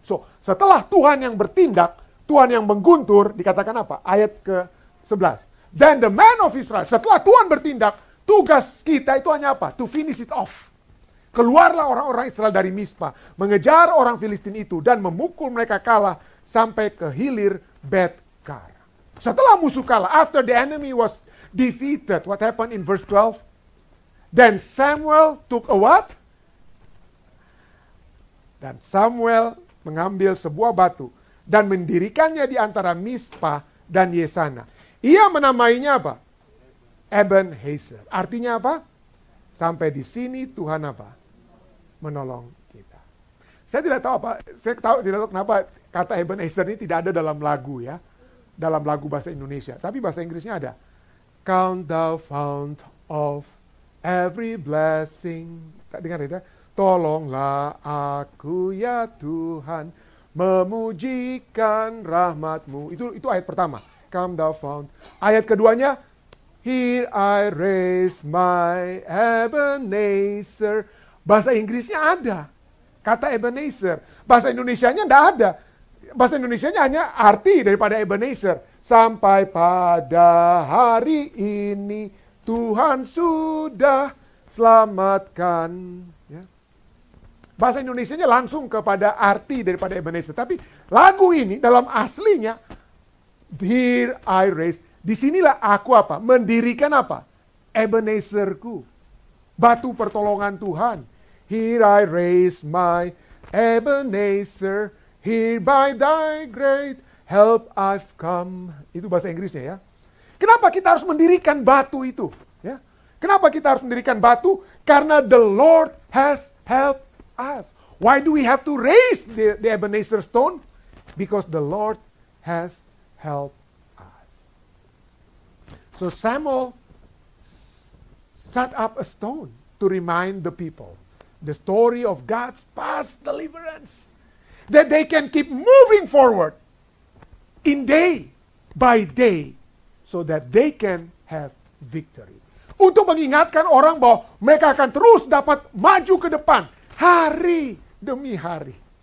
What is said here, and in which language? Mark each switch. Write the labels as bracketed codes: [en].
[id] So, setelah Tuhan yang bertindak, Tuhan yang mengguntur, dikatakan apa? Ayat ke-11. [en] Then the man of Israel, [id] setelah Tuhan bertindak, tugas kita itu hanya apa? [en] To finish it off. [id] Keluarlah orang-orang Israel dari Mizpa, mengejar orang Filistin itu, dan memukul mereka kalah sampai ke hilir Bet-Kar. Setelah musuh kalah, [en] after the enemy was defeated, what happened in verse 12? Then Samuel took a what? [id] Dan Samuel mengambil sebuah batu, dan mendirikannya di antara Mizpa dan Yesana. Ia menamainya apa? Eben-Hezer. Artinya apa? Sampai di sini Tuhan apa? Menolong kita. Saya tidak tahu kenapa kata Eben-Hezer ini tidak ada dalam lagu ya. Dalam lagu bahasa Indonesia. Tapi bahasa Inggrisnya ada. [en] Count the fount of every blessing. [id] Dengar ya. Tolonglah aku ya Tuhan. Memujikan rahmat-Mu. Itu ayat pertama. [en] Count the fount. [id] Ayat keduanya. [en] Here I raise my Eben-Hezer. [id] Bahasa Inggrisnya ada, kata Ebenezer. Bahasa Indonesianya tidak ada. Bahasa Indonesianya hanya arti daripada Ebenezer. Sampai pada hari ini Tuhan sudah selamatkan. Ya. Bahasa Indonesianya langsung kepada arti daripada Ebenezer. Tapi lagu ini dalam aslinya, [en] Here I raise, [id] disinilah aku apa? Mendirikan apa? Ebenezerku, batu pertolongan Tuhan. [en] Here I raise my Ebenezer, here by thy great help I've come. [id] Itu bahasa Inggrisnya ya. Kenapa kita harus mendirikan batu itu? Ya. Kenapa kita harus mendirikan batu? [en] Karena the Lord has helped us. Why do we have to raise the Ebenezer stone? Because the Lord has helped us. So Samuel set up a stone to remind the people the story of God's past deliverance, that they can keep moving forward in day by day so that they can have victory. [id] Untuk mengingatkan orang bahwa mereka akan terus dapat maju ke depan hari demi hari.